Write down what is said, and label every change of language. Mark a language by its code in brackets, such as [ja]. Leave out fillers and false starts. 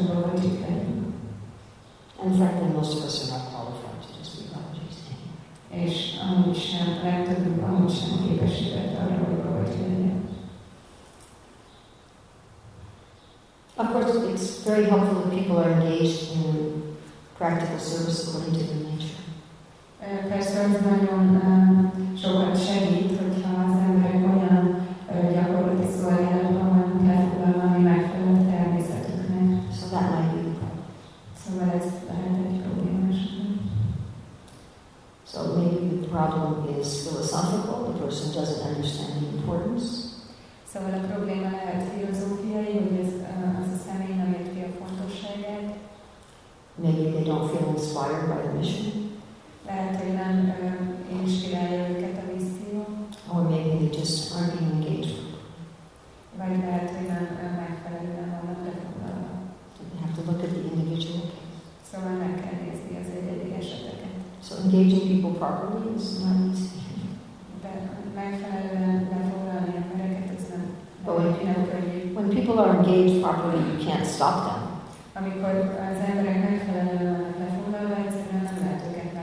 [en] And frankly, most of us are not qualified to just be Babaji's team. Of course, it's very helpful if people are engaged in practical service according to their nature. [hu] Persze, ez nagyon sokat segít, hogyha az emberek olyan gyakorlati szolgálatban vannak elfoglalva, ami megfelelő a természetüknek. Szóval ez lehet egy problémás. [en] So maybe the problem is philosophical, the person doesn't understand the importance. [hu] Szóval a probléma lehet filozófiai, hogy ez az a személy nem érti a fontosságát. [en] Maybe they don't feel inspired by the mission. [hu] Lehet, hogy nem inspirálja őket a misszió. [en] Or maybe they just aren't being engaged. [hu] Vagy lehet, hogy nem megfelelően vannak befoglalva. [en] You have to look at the individual case. [hu] Szóval meg kell nézni az egyedi eseteket. [en] So engaging people properly is not easy. [hu] De megfelelően befoglalni embereket, ez nem könnyű. [en] When people are engaged properly, you can't stop them. [hu] Amikor az emberek megfelelően befoglalva, egyszerűen nem lehet őket.